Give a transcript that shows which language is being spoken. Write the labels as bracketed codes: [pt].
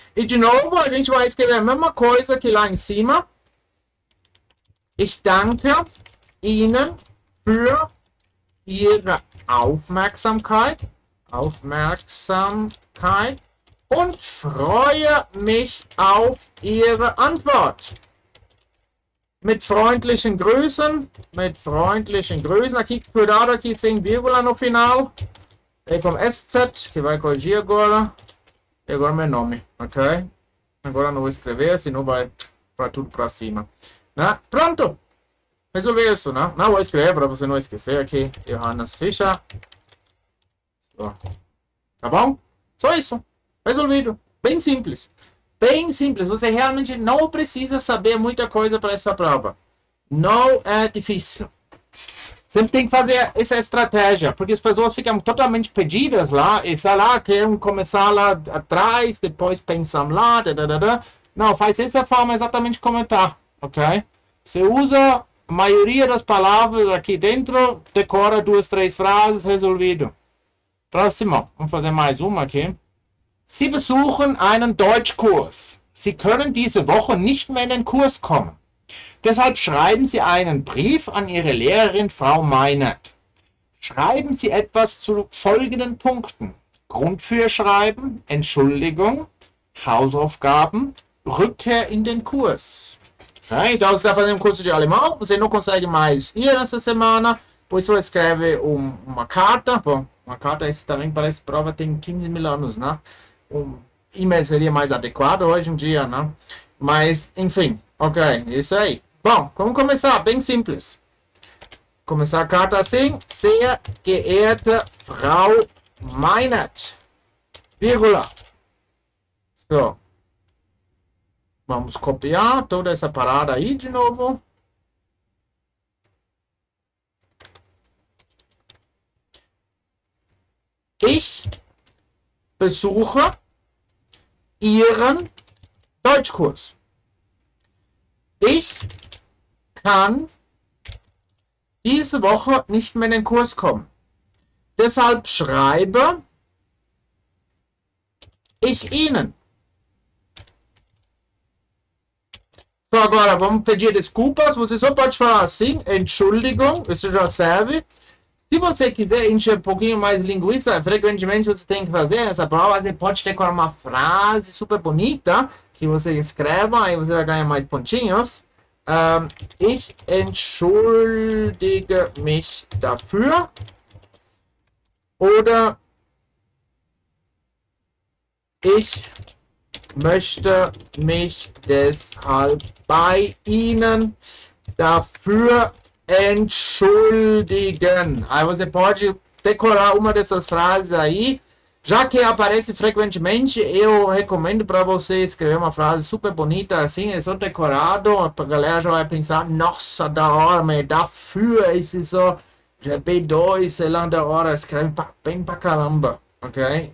[pt] E de novo, a gente vai escrever a mesma coisa que lá em cima. [de] Ich danke Ihnen für Ihre Aufmerksamkeit. Aufmerksamkeit. Und freue mich auf Ihre Antwort. Mit freundlichen Grüßen. Mit freundlichen Grüßen. [pt] Aqui, cuidado, aqui sem vírgula no final. Aí com SZ, que vai corrigir agora. E agora meu nome, ok? Agora não vou escrever, senão vai para tudo para cima. Né? Pronto! Resolvi isso, né? Não vou escrever para você não esquecer aqui. Johannes Fischer. So. Tá bom? Só isso. Resolvido. Bem simples. Bem simples. Você realmente não precisa saber muita coisa para essa prova. Não é difícil. Sempre tem que fazer essa estratégia. Porque as pessoas ficam totalmente perdidas lá. E sei lá, querem começar lá atrás. Depois pensam lá. Dadadada. Não, faz dessa forma exatamente como está. Ok? Você usa a maioria das palavras aqui dentro. Decora duas, três frases. Resolvido. Próximo. Vamos fazer mais uma aqui. [de] Sie besuchen einen Deutschkurs. Sie können diese Woche nicht mehr in den Kurs kommen. Deshalb schreiben Sie einen Brief an Ihre Lehrerin Frau Meinert. Schreiben Sie etwas zu folgenden Punkten. Grund für Schreiben, Entschuldigung, Hausaufgaben, Rückkehr in den Kurs. [pt] Okay, então você está fazendo um curso de alemão, você não consegue mais ir nessa semana, por isso escreve uma carta. Uma carta, esse também parece prova, tem 15 mil anos, né? E-mail seria mais adequado hoje em dia, né? Mas, enfim, ok, isso aí. Bom, vamos começar, bem simples. Começar a carta assim. [de] Sehr geehrte Frau Meinert. [pt] Vírgula. So. Vamos copiar toda essa parada aí de novo. [de] Ich besuche Ihren Deutschkurs. Ich kann diese Woche nicht mehr in den Kurs kommen. Deshalb schreibe ich Ihnen. [pt] So, agora vamos pedir desculpas. Você só pode falar assim. Entschuldigung, isso já serve. Se você quiser encher um pouquinho mais linguiça, frequentemente você tem que fazer essa prova, você pode decorar uma frase super bonita, que você escreva, aí você vai ganhar mais pontinhos. [de] Ich entschuldige mich dafür. Oder ich möchte mich deshalb bei Ihnen dafür entschuldigen. [pt] Aí você pode decorar uma dessas frases aí. Já que aparece frequentemente, eu recomendo para você escrever uma frase super bonita assim, é só decorado, a galera já vai pensar, nossa, da hora, mas [de] dafür ist es so [pt] GP2, sei lá, da hora, escreve bem pra caramba, ok?